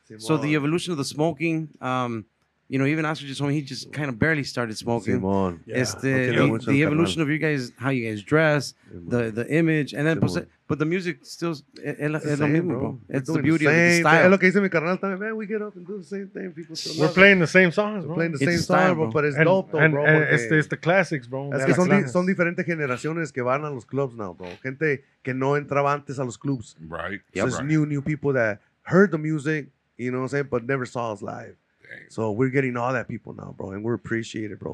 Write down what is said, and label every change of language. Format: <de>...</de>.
<en>So the evolution of the smoking, you know, even Oscar just told me he just kind of barely started smoking. The evolution of you guys, how you guys dress, the image, and then. But the music still is the same, mismo, bro. It's the beauty the of the style.</en> <es>Es lo que dice mi carnal también.</es> <en>Man, we get up and do the same thing. People still we're playing the same songs, bro. We're playing the same style, bro. But it's dope, though, bro. And it's the classics, bro.</en> <es>Es que son diferentes generaciones que van a los clubs now, bro. Gente que no entraba antes a los clubs.</es> <en>Right. So it's new people that heard the music, You know what I'm saying? But never saw us live. So we're getting all that people now, bro, and we're appreciated, bro.</en>